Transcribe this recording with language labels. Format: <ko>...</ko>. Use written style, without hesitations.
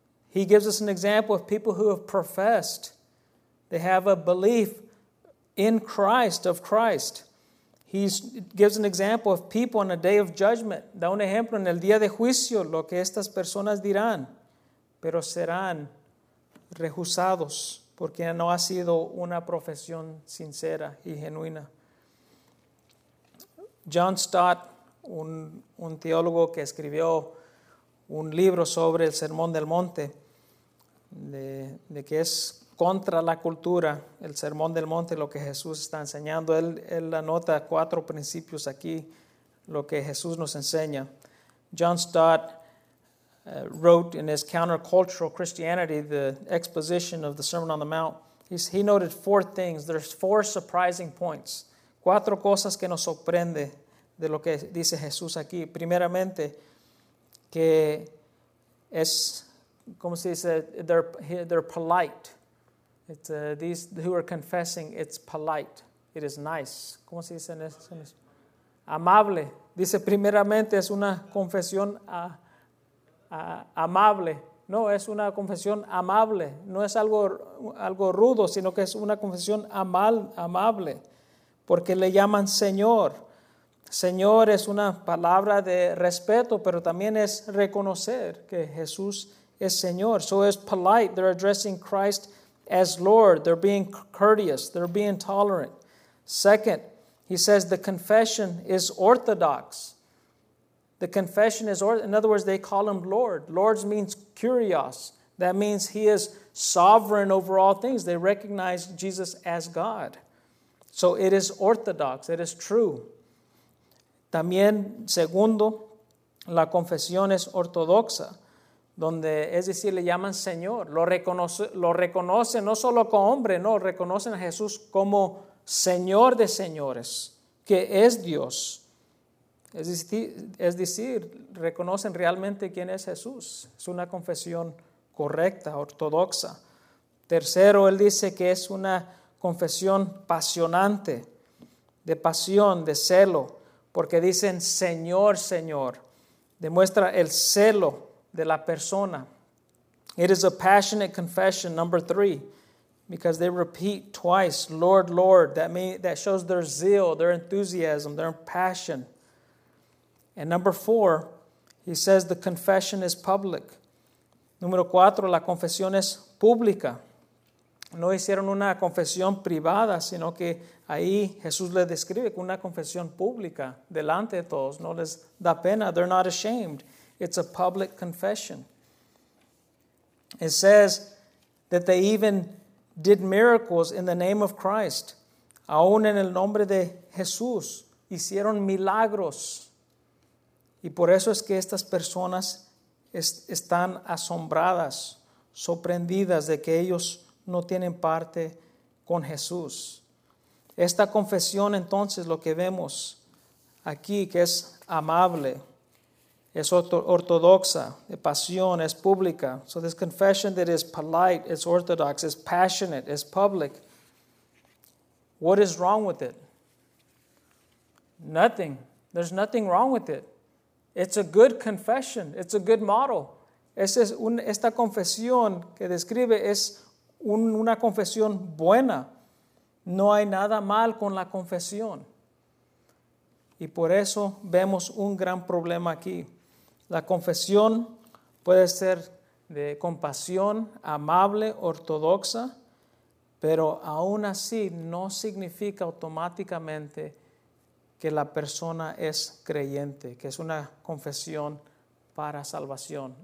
<en>He gives us an example of people who have professed. They have a belief in Christ, of Christ. He gives an example of people on a day of judgment.</en> <es>Da un ejemplo en el día de juicio, lo que estas personas dirán, pero serán rehusados porque no ha sido una profesión sincera y genuina. John Stott, un teólogo que escribió un libro sobre el Sermón del Monte, de que es contra la cultura, el Sermón del Monte, lo que Jesús está enseñando. Él anota cuatro principios aquí, lo que Jesús nos enseña.</es> <en>John Stott wrote in his Countercultural Christianity, the exposition of the Sermon on the Mount, he noted four things. There's four surprising points.</en> <es>Cuatro cosas que nos sorprende de lo que dice Jesús aquí. Primeramente, que es, ¿cómo se dice?</es> <en>They're polite. It's these who are confessing, it's polite. It is nice.</en> <es>¿Cómo se dice en eso? Amable. Dice, primeramente, es una confesión amable. No, es una confesión amable. No es algo rudo, sino que es una confesión amable. Porque le llaman Señor. Señor es una palabra de respeto, pero también es reconocer que Jesús es Señor.</es> <en>So it's polite. They're addressing Christ as Lord. They're being courteous. They're being tolerant. Second, he says the confession is orthodox. The confession is, in other words, they call him Lord. Lord means kurios. That means he is sovereign over all things. They recognize Jesus as God. So it is orthodox. It is true.</en> <es>También, segundo, la confesión es ortodoxa, donde, es decir, le llaman Señor. Lo reconocen no solo como hombre, no, reconocen a Jesús como Señor de señores, que es Dios. Es decir, reconocen realmente quién es Jesús. Es una confesión correcta, ortodoxa. Tercero, él dice que es una confesión apasionante, de pasión, de celo, porque dicen Señor, Señor. Demuestra el celo de la persona.</es> <en>It is a passionate confession, number three, because they repeat twice, Lord, Lord. That shows their zeal, their enthusiasm, their passion. And number four, he says the confession is public.</en> <es>Número cuatro, la confesión es pública. No hicieron una confesión privada, sino que ahí Jesús les describe una confesión pública delante de todos. No les da pena.</es> <en>They're not ashamed. It's a public confession. It says that they even did miracles in the name of Christ.</en> <es>Aún en el nombre de Jesús hicieron milagros. Y por eso es que estas personas están asombradas, sorprendidas de que ellos no tienen parte con Jesús. Esta confesión, entonces, lo que vemos aquí, que es amable, es ortodoxa, de pasión, es pública.</es> <en>So this confession that is polite, it's orthodox, it's passionate, it's public. What is wrong with it? Nothing. There's nothing wrong with it. It's a good confession. It's a good model.</en> <es>Esta confesión que describe es una confesión buena. No hay nada mal con la confesión. Y por eso vemos un gran problema aquí. La confesión puede ser de compasión, amable, ortodoxa, pero aún así no significa automáticamente que la persona es creyente, que es una confesión para salvación.</es>